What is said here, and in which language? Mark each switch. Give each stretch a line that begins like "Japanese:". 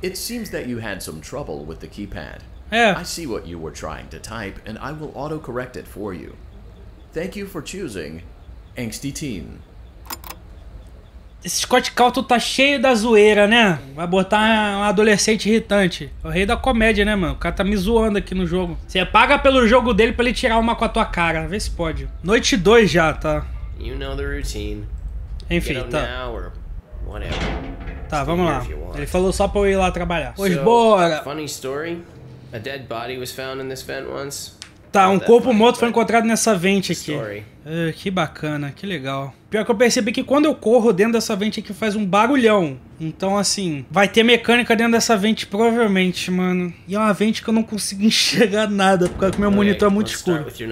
English: It seems that you had some trouble with the keypad.
Portuguese: É.
English: I see what you were trying to type, and I will auto-correct it for you. Thank you for choosing Angsty Teen.
Portuguese: Esse Scott Calton tá cheio da zoeira, né? Vai botar um adolescente irritante. O rei da comédia, né, mano? O cara tá me zoando aqui no jogo. Você paga pelo jogo dele pra ele tirar uma com a tua cara. Vê se pode. Noite 2 já, tá?
English: You know the routine.
Portuguese: Enfim, tá.
English: Whatever.
Portuguese: Tá, vamos lá. Ele falou só pra eu ir lá trabalhar. Pois so, bora.
English: Funny story. A dead body was found in this vent once.
Portuguese: Tá, um corpo morto foi encontrado nessa vente aqui. Que bacana, que legal. Pior que eu percebi que quando eu corro dentro dessa vente aqui faz um barulhão. Então, assim, vai ter mecânica dentro dessa vente provavelmente, mano. E é uma vente que eu não consigo enxergar nada, porque meu monitor é muito escuro.